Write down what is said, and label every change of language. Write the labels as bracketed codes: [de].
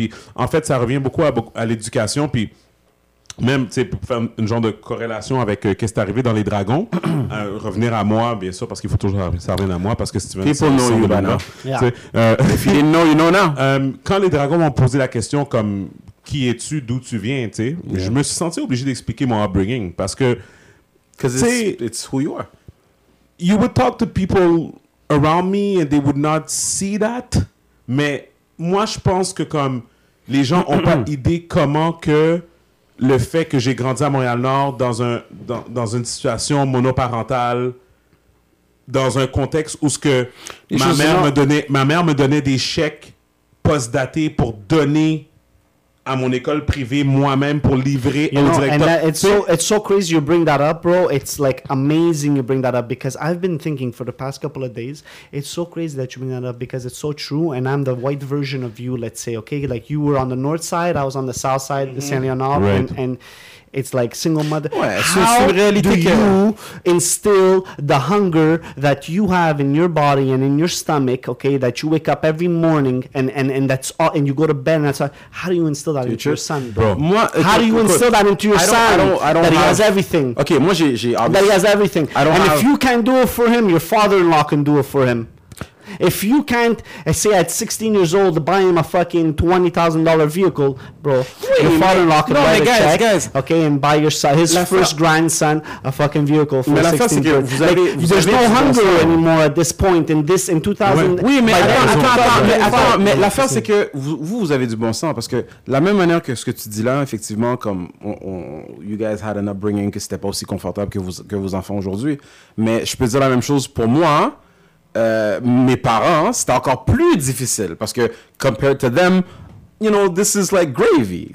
[fr] Puis, en fait, ça revient beaucoup à l'éducation, puis même, tu sais, pour faire une genre de corrélation avec qu'est-ce qui est arrivé dans les dragons, revenir à moi, bien sûr, parce qu'il faut toujours revenir à moi, parce que si tu veux... [en] People know you by now. If you didn't know, you know now. [fr] Quand les dragons m'ont posé la question comme, qui es-tu, d'où tu viens, tu sais, je me suis senti obligé d'expliquer mon upbringing, parce que... [en] Because it's who you are. You would talk to people around me and they would not see that, [fr] mais moi, je pense que comme les gens n'ont pas idée comment que... Le fait que j'ai grandi à Montréal-Nord dans une situation monoparentale, dans un contexte où ce que ma mère me donnait des chèques post-datés pour donner à mon école privée moi-même pour livrer [en] you [fr] au [en] know, [fr] directeur. [en] And it's so crazy you bring that up, bro. It's like amazing you bring that up because I've been thinking for the past couple of days. It's so crazy that you bring that up because it's so true. And I'm the white version of you, let's say, okay? Like you were on the north side, I was on the south side, the San Leonardo, right. And it's like single mother. [fr] Ouais, [en] How do you instill the hunger that you have in your body and in your stomach, okay, that you wake up every morning and that's all, and you go to bed and that's all. How do you instill that into your son, bro? How do you instill that into your son that he has everything? [fr] Okay, moi j'ai [en] that he has everything. And if you can't do it for him, your father-in-law can do it for him. If you can't, say at 16 years old, buy him a fucking $20,000 vehicle, bro, your father-in-law can write a check, okay, and buy his first grandson a fucking vehicle for 16 years. Like, there's no hunger anymore at this point, in 2000. [fr] Oui, mais attends, l'affaire, c'est que vous avez du bon sens, parce que la même manière que ce que tu dis là, effectivement, comme [en] you guys had an upbringing [fr] que c'était pas aussi confortable que vos enfants aujourd'hui, mais je peux dire la même chose pour moi. Mes parents, c'était encore plus difficile parce que, [en] compared to them, you know, this is like gravy.